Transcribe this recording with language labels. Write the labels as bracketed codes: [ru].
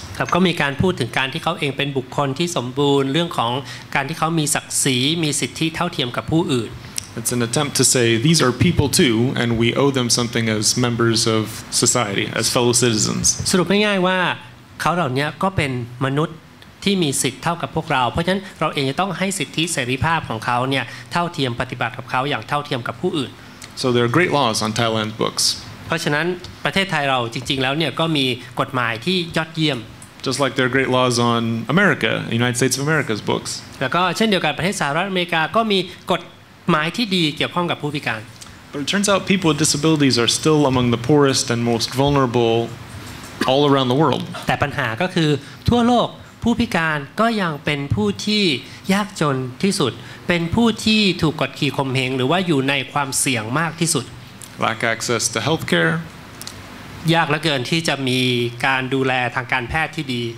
[th] ครับก็มีการพูดถึงการที่เขาเองเป็นบุคคลที่สมบูรณ์เรื่องของการที่เขามีศักดิ์ศรีมีสิทธิเท่าเทียมกับผู้อื่น [en] It's an attempt to say these are people too and we owe them something as members of society as fellow citizens [th] สรุปง่ายๆว่าเขาเหล่านี้ก็เป็นมนุษย์ที่มีสิทธิเท่ากับพวกเราเพราะฉะนั้นเราเองจะต้องให้สิทธิเสรีภาพของเขาเนี่ยเท่าเทียมปฏิบัติกับเขาอย่างเท่าเทียมกับผู้อื่น [en] So there are great laws on Thailand's books. [th] เพราะฉะนั้นประเทศไทยเราจริงๆแล้วเนี่ยก็มีกฎหมายที่ยอดเยี่ยม [en] Just like there are great laws on America, United States of America's books. [th] แล้วก็เช่นเดียวกันประเทศสหรัฐอเมริกาก็มีกฎหมายที่ดีเกี่ยวข้องกับผู้พิการ [en] But it turns out people with disabilities are still among the poorest and most vulnerable all around the world. [th] แต่ปัญหาก็คือทั่วโลกผู้พิการก็ยังเป็นผู้ที่ยากจนที่สุดเป็นผู้ที่ถูกกดขี่ข่มเหงหรือว่าอยู่ในความเสี่ยงมากที่สุด [en] Lack access to healthcare [th] ยากเหลือเกินที่จะมีการดูแลทางการแพทย์ที่ดี